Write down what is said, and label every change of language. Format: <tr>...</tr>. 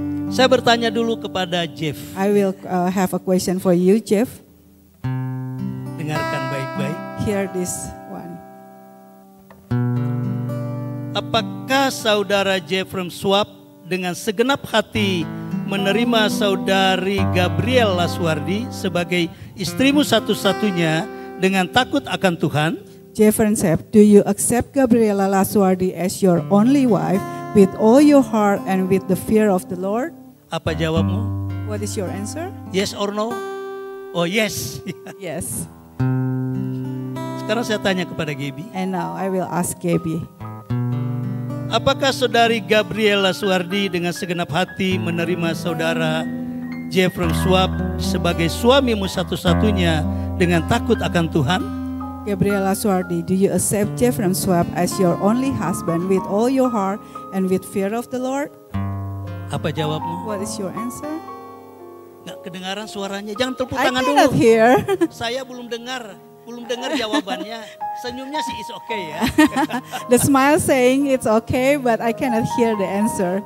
<id>Saya bertanya dulu kepada Jeff.</id> <en>I will have a question for you, Jeff.</en> <id>Dengarkan baik-baik.</id> <en>Hear this one.</en> <id>Apakah saudara Jeff from Swap dengan segenap hati menerima saudari Gabriel Laswardi sebagai istrimu satu-satunya dengan takut akan Tuhan?</id> <en>Jeff from Swap, do you accept Gabriela Laswardi as your only wife with all your heart and with the fear of the Lord?</en> <id>Apa jawabmu?</id> <en>What is your answer? Yes or no? Oh yes. Yes.</en> <id>Sekarang saya tanya kepada Gabby.</id> <en>And now I will ask Gabby.</en> <id>Apakah saudari Gabriela Suwardi dengan segenap hati menerima saudara Jeffrey Swap sebagai suamimu satu-satunya dengan takut akan Tuhan?</id> <en>Gabriela Suwardi, do you accept Jeffrey Swap as your only husband with all your heart and with fear of the Lord?</en> <id>Apa jawabmu?</id> <en>What is your answer?</en> <id>Enggak kedengaran suaranya. Jangan tepuk tangan dulu.</id> <en>I cannot hear.</en> <id>Saya belum dengar jawabannya. Senyumnya sih</id> <en>is okay</en> <id>ya.</id> <en>The smile saying it's okay but I cannot hear the answer.</en>